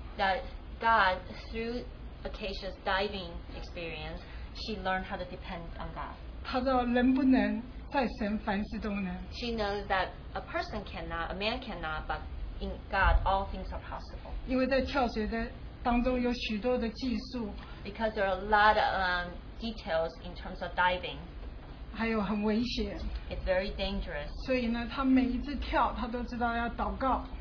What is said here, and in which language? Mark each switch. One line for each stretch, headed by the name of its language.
English: That God, through Akasha's diving experience, she learned how to depend on God.
Chinese: 她知道人不能，在神凡事都能。
English: She knows that a person cannot, a man cannot, but in God, all things are possible.
Chinese: 因为在跳水的当中有许多的技术。
English: Because there are a lot of details in terms of diving.
Chinese: 还有很危险。
English: It's very dangerous.
Chinese: 所以呢，她每一次跳，她都知道要祷告。